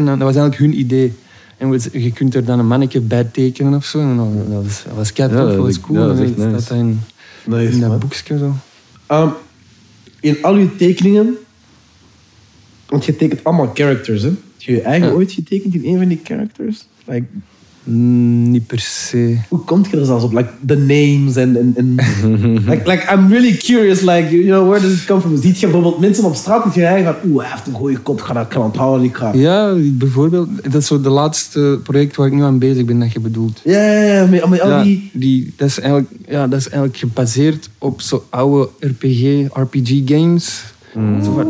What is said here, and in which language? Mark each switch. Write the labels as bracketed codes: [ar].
[nl] En dan, dat was eigenlijk hun idee. En je kunt er dan een manneke bij tekenen of zo. En dat was kei tof, dat was cool. Ja, dat is echt nice. Dat staat in dat boekje zo. In al uw tekeningen, want je tekent allemaal characters, hè? Heb je eigen ooit getekend in een van die characters? [en] Like, [nl] niet per se. Hoe komt je er zelfs op? [en] Like, the names en like, I'm really curious, like, you know, where does it come from? [nl] Ziet je bijvoorbeeld mensen op straat dat je eigen van, oeh, hij heeft een goede kop, ik kan onthouden, ik ga. Ja, bijvoorbeeld, dat is zo de laatste project waar ik nu aan bezig ben, dat je bedoelt. Ja, dat is eigenlijk gebaseerd op zo oude RPG games. Mm.